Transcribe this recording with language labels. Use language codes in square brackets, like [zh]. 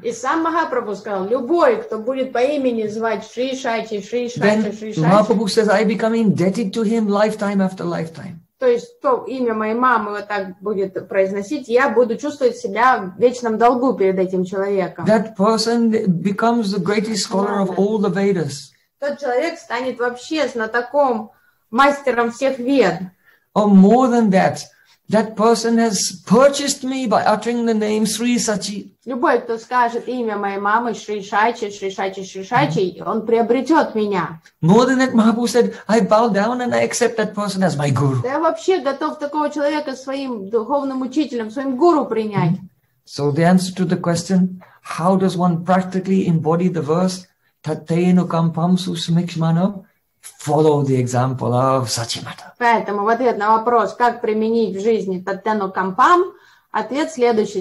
[ru] И сам Махапрабху сказал, любой, кто будет по имени звать Шри Сачи, Шри Сачи, Шри Сачи. [en] Махапрабху says, I become indebted to him lifetime after lifetime. [ru] То есть то имя моей мамы вот так будет произносить, я буду чувствовать себя в вечном долгу перед этим человеком. [en] That person becomes the greatest scholar of all the Vedas. [ru] Тот человек станет вообще знатоком, мастером всех вед. [en] Or more than that, that person has purchased me by uttering the name Sri Sachi. [ru] Любой, кто скажет имя моей мамы Шри Сачи, Шри Сачи, Шри Сачи, он приобретет меня. [en] More than that, Mahaprabhu said, I bow down and I accept that person as my guru. [ru] Я вообще готов такого человека своим духовным учителем, своим гуру принять. [en] So the answer to the question, how does one practically embody the verse Tateinu Kampamsu Sumikshmano? Follow the example of Сачимата. [ru] Поэтому в ответ на вопрос, как применить в жизни Таттену Кампам, ответ следующий.